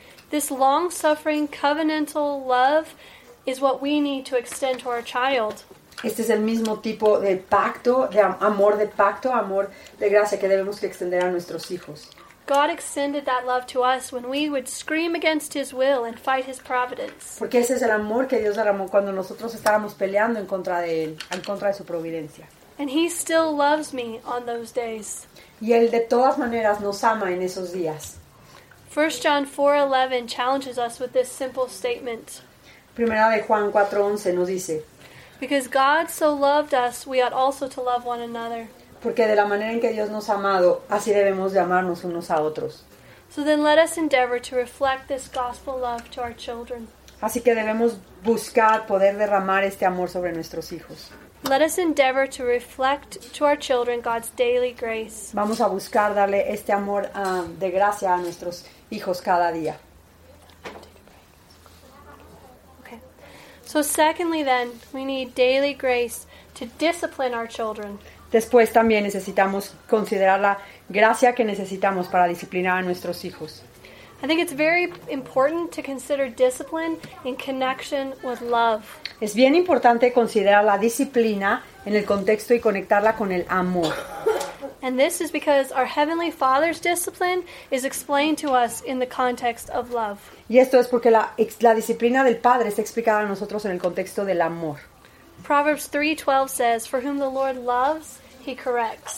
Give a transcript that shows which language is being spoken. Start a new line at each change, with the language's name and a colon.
English: This long-suffering covenantal love is what we need to extend to our child.
Spanish: Este es el mismo tipo de pacto, de pacto, amor de gracia que debemos que extender a nuestros hijos.
English: God extended that love to us when we would scream against his will and fight his providence.
Spanish: Porque ese es el amor que Dios derramó cuando nosotros estábamos peleando en contra de él, en contra de su providencia.
English: And he still loves me on those days.
Spanish: Y él de todas maneras nos ama en esos días.
English: 1 John 4:11 challenges us with this simple statement.
Spanish: Primera de Juan 4:11 nos dice.
English: Because God so loved us, we ought also to love one another.
Spanish: Porque de la manera en que Dios nos ha amado, así debemos de amarnos unos a otros.
English: So then let us endeavor to reflect this gospel love to our children.
Spanish: Así que debemos buscar poder derramar este amor sobre nuestros hijos.
English: Let us endeavor to reflect to our children God's daily grace.
Spanish: Vamos a buscar darle este amor de gracia a nuestros hijos cada día.
English: Okay. So secondly then, we need daily grace to discipline our children.
Spanish: Después también necesitamos considerar la gracia que necesitamos para disciplinar a nuestros hijos.
English: I think it's very important to consider discipline in connection with love.
Spanish: Es bien importante considerar la disciplina en el contexto y conectarla con el amor.
English: And this is because our Heavenly Father's discipline is explained to us in the context of love.
Spanish: Y esto es porque la disciplina del Padre está explicada a nosotros en el contexto del amor.
English: Proverbs 3:12 says, "For whom the Lord loves, he corrects."